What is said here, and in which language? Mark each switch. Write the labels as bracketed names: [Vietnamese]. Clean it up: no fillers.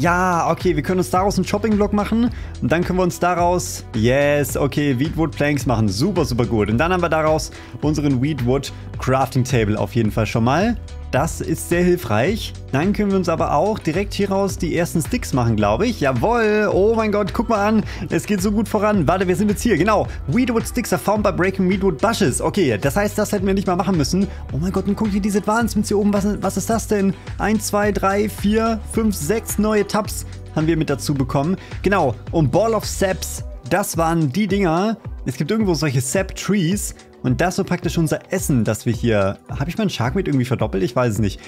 [German] Ja, okay, wir können uns daraus einen Chopping Block machen. Und dann können wir uns daraus, yes, okay, Weedwood Planks machen. Super, super gut. Und dann haben wir daraus unseren Weedwood Crafting Table auf jeden Fall schon mal. Das ist sehr hilfreich. Dann können wir uns aber auch direkt hieraus die ersten Sticks machen, glaube ich. Jawohl. Oh mein Gott, guck mal an. Es geht so gut voran. Warte, wir sind jetzt hier. Genau. [English] Weedwood Sticks are found by breaking Weedwood Bushes. [German] Okay, das heißt, das hätten wir nicht mal machen müssen. Oh mein Gott, und guck dir diese Advancements hier oben. Was ist das denn? 1, 2, 3, 4, 5, 6 neue Tabs haben wir mit dazu bekommen. Genau. Und Ball of Saps, das waren die Dinger. Es gibt irgendwo solche Sap Trees. Und das ist so praktisch unser Essen, das wir hier... Habe ich meinen Shark mit irgendwie verdoppelt? Ich weiß es nicht.